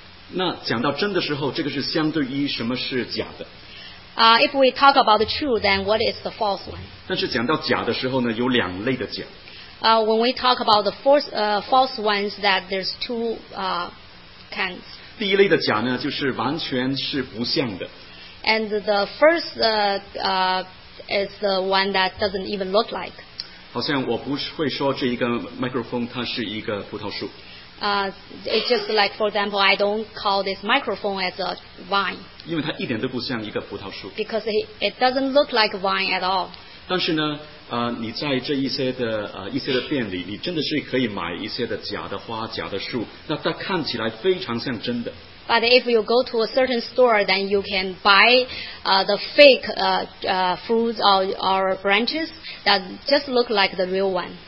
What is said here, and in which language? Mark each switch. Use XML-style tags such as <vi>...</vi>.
<zh>那讲到真的时候，这个是相对于什么是假的？</zh> <en>If we talk about the true, then what is the false one?</en> <zh>但是讲到假的时候呢，有两类的假。</zh> <en>When we talk about the false ones, that there's two kinds.</en> <zh>第一类的假呢，就是完全是不像的。</zh> <en>And the first is the one that doesn't even look like.</en> <zh>好像我不会说这一个microphone它是一个葡萄树。</zh> <en>It's just like, for example, I don't call this microphone as a vine.</en> <zh>因为它一点都不像一个葡萄树。</zh> <en>Because it doesn't look like vine at all.</en> <zh>但是呢，你在这一些的一些的店里，你真的是可以买一些的假的花、假的树，那它看起来非常像真的。</zh> <en>But if you go to a certain store, then you can buy the fake fruits or branches that just look like the real one.</en>